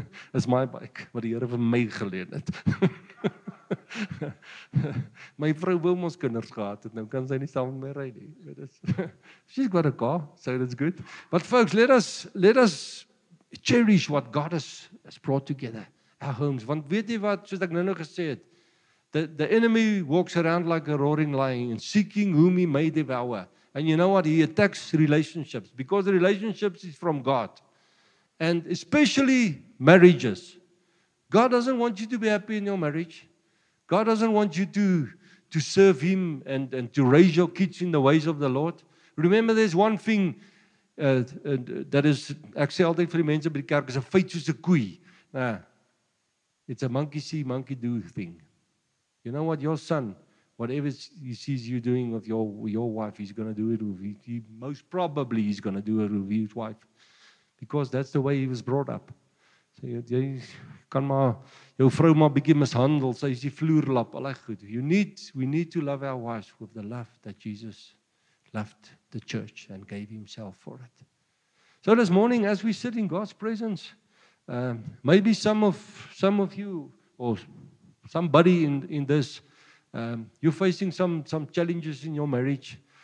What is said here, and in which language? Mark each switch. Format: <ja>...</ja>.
<en>It's my bike,</en> <af>wat die Here vir my geleen het. My vrou wil ons kinders gehad het, nou kan sy nie saam met my ry nie.</af> <en>She's got a car, so that's good. But folks, let us cherish what God has brought together, our homes.</en> <af>Want weet jy wat, soos ek nou gesê het,</af> <en>the enemy walks around like a roaring lion and seeking whom he may devour. And you know what? He attacks relationships because the relationships is from God. And especially marriages. God doesn't want you to be happy in your marriage. God doesn't want you to serve him and to raise your kids in the ways of the Lord. Remember, there's one thing that is,</en> <af>ek sê altyd vir die mense by die kerk, is 'n feit soos 'n koei.</af> <en>Nah, it's a monkey see, monkey do thing. You know what? Your son, whatever he sees you doing with your wife, he's going to do it with you. Most probably, he's going to do it with his wife. Because that's the way he was brought up.</en> <af>So jy kan maar jou vrou maar bietjie mishandel, sy is die vloerlap, al hy goed.</af> <en>We need to love our wives with the love that Jesus loved the church and gave himself for it. So this morning as we sit in God's presence, maybe some of you or somebody in this, you're facing some challenges in your marriage.</en>